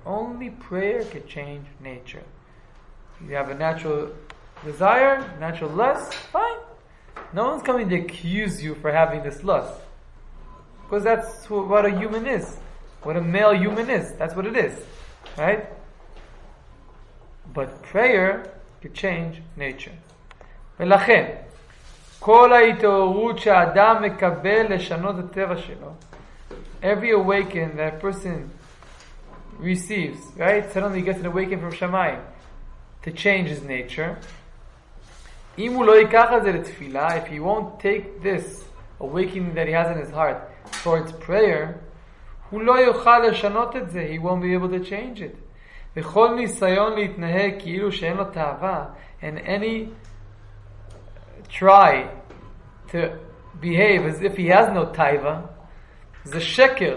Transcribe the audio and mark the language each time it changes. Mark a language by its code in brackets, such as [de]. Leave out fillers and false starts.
[en] Only prayer could change nature. You have a natural desire, natural lust, fine. No one's coming to accuse you for having this lust. Because that's what a human is. What a male human is. That's what it is. Right? But prayer could change nature. [he] ולכן, כל ההתעוררות שהאדם מקבל לשנות את הטבע שלו, [en] every awakening that a person receives, right? Suddenly he gets an awakening from Shamayim to change his nature. [he] אם הוא לא ייקח את זה לתפילה, [en] if he won't take this awakening that he has in his heart towards prayer, [he] הוא לא יוכל לשנות את זה. [en] He won't be able to change it. [he] וכל ניסיון להתנהג כאילו שאין לו תאווה, [en] and any try to behave as if he has no [he] תאווה, זה שקר.